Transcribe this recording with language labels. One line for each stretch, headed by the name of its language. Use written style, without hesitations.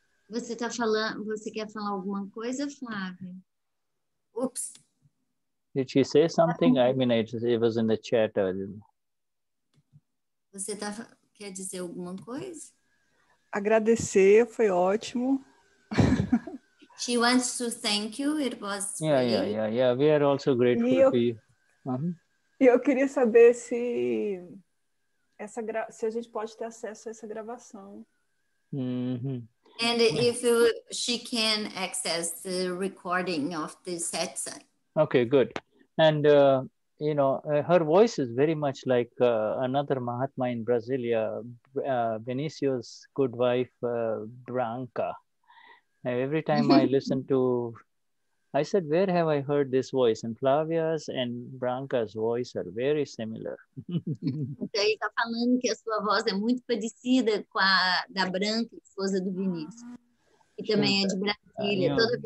Portuguese: Você tá falando, você quer falar alguma coisa, Flávia? Oops.
English: Did she say something? I mean, it was in the chat earlier.
Portuguese: Você quer dizer alguma coisa? Agradecer, foi ótimo.
English: She wants to thank you. It was Yeah. We are also grateful for you.
Portuguese: E eu queria saber se a gente pode ter acesso a essa gravação. Mm-hmm.
English: And if she can access the recording of this headset. Okay, good. And, you know, her voice is very much like another Mahatma in Brasilia, Vinicius' good wife, Branca. Every time I listen to, I said, where have I heard this voice? And Flavia's and Branca's voice are very similar.
Portuguese: Então, ele está falando que a sua voz é muito parecida com a da Branca, esposa do Vinicius. E também é de Brasília.